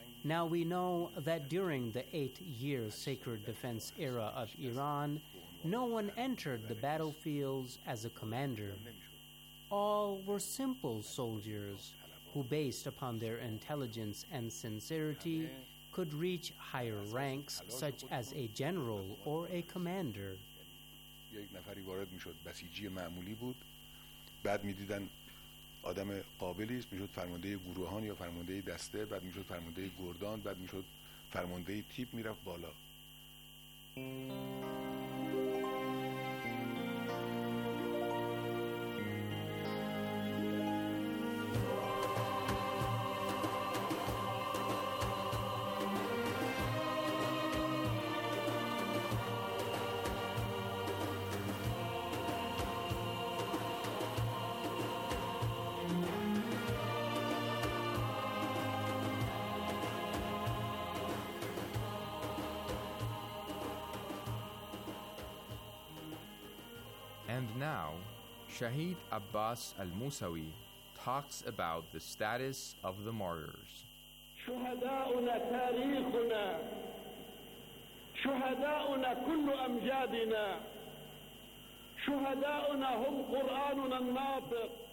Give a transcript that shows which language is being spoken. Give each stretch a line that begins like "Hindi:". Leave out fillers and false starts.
English: Now we know that during the 8-year sacred defense era of Iran, no one entered the battlefields as a commander. All were simple soldiers who, based upon their intelligence and sincerity, could reach higher ranks, such as a general or a commander.
Persian: یک نفری وارد میشد بسیجی معمولی بود بعد میدیدن آدم قابلی است میشد فرمانده گروهان یا فرمانده دسته بعد میشد فرمانده گردان بعد میشد فرمانده تیپ میرفت بالا
English: And now, Shahid Abbas al-Musawi talks about the status of the martyrs.
Arabic: شهداؤنا تاريخنا شهداؤنا كل أمجادنا شهداؤنا هم قرآننا الناطق.